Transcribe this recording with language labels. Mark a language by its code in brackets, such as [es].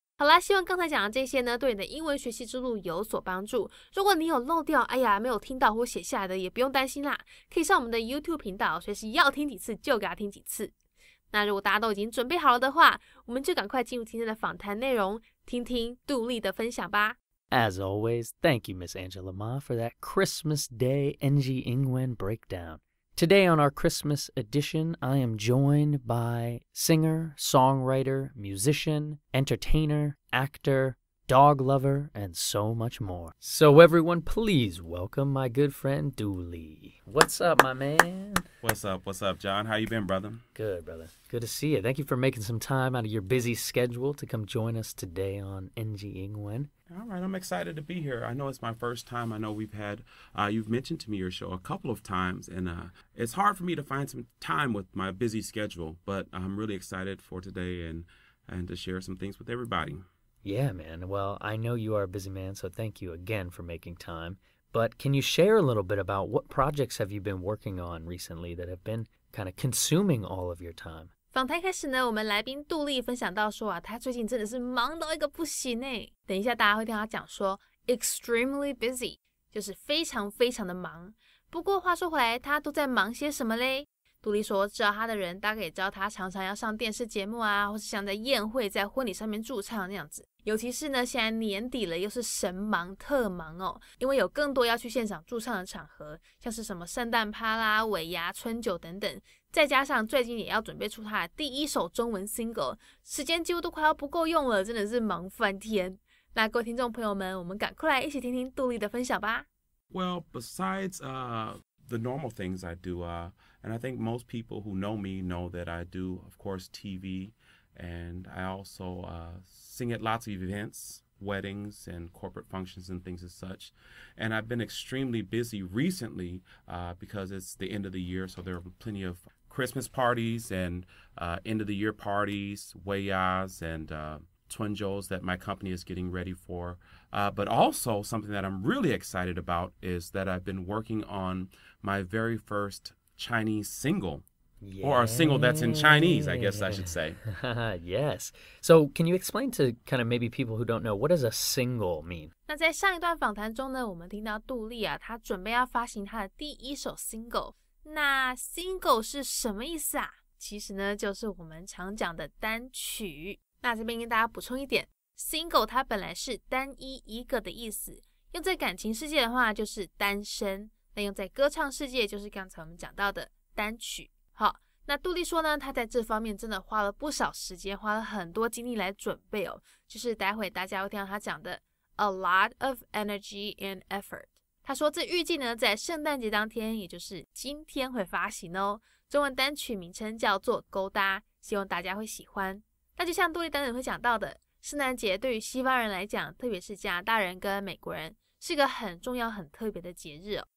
[zh] 好啦，希望刚才讲的这些呢，对你的英文学习之路有所帮助。如果你有漏掉，哎呀没有听到或写下来的，也不用担心啦，可以上我们的 YouTube 频道，随时要听几次就给他听几次。那如果大家都已经准备好了的话，我们就赶快进入今天的访谈内容，听听杜力的分享吧。 [en] As always, thank you, Miss Angela Ma, for that Christmas Day NG English breakdown. Today on our Christmas edition, I am joined by singer, songwriter, musician, entertainer, actor, dog lover, and so much more. So everyone, please welcome my good friend杜力. What's up, my man? What's up, John? How you been, brother? Good, brother. Good to see you. Thank you for making some time out of your busy schedule to come join us today on NG English. All right, I'm excited to be here. I know it's my first time. I know we've had, you've mentioned to me your show a couple of times, and it's hard for me to find some time with my busy schedule, but I'm really excited for today and to share some things with everybody. Yeah, man. Well, I know you are a busy man, so thank you again for making time. But can you share a little bit about what projects have you been working on recently that have been kind of consuming all of your time? [zh] 访谈开始呢，我们来宾杜力分享到说啊，他最近真的是忙到一个不行诶。等一下大家会听他讲说 [en] extremely busy， [zh] 就是非常非常的忙。不过话说回来，他都在忙些什么嘞？杜力说，知道他的人大概也知道他常常要上电视节目啊，或是像在宴会、在婚礼上面驻唱那样子。尤其是呢，现在年底了，又是神忙特忙哦，因为有更多要去现场驻唱的场合，像是什么圣诞趴啦、尾牙、春酒等等。再加上最近也要准备出他的第一首中文 single， 时间几乎都快要不够用了，真的是忙翻天。那各位听众朋友们，我们赶快来一起听听杜力的分享吧。 [en] Well, besides the normal things I do, And I think most people who know me know that I do, of course, TV, and I also sing at lots of events, weddings and corporate functions and things as such. And I've been extremely busy recently because it's the end of the year, so there are plenty of Christmas parties and end of the year parties, weiyas and twinjos that my company is getting ready for. But also something that I'm really excited about is that I've been working on my very first Chinese single. Yeah. Or a single that's in Chinese, I guess I should say. Yes. So can you explain to kind of maybe people who don't know, what does a single mean? [zh] 那在上一段访谈中呢，我们听到杜力啊，他准备要发行他的第一首 single。那 single 是什么意思啊？其实呢，就是我们常讲的单曲。那这边跟大家补充一点 ，single 它本来是单一一个的意思，用在感情世界的话就是单身，那用在歌唱世界就是刚才我们讲到的单曲。好，那杜力说呢，他在这方面真的花了不少时间，花了很多精力来准备哦。就是待会大家会听到他讲的 [en] a lot of energy and effort。 [zh] 他说这预计呢在圣诞节当天，也就是今天会发行哦。中文单曲名称叫做《勾搭》，希望大家会喜欢。那就像杜力等等会讲到的，圣诞节对于西方人来讲，特别是加拿大人跟美国人，是个很重要、很特别的节日哦。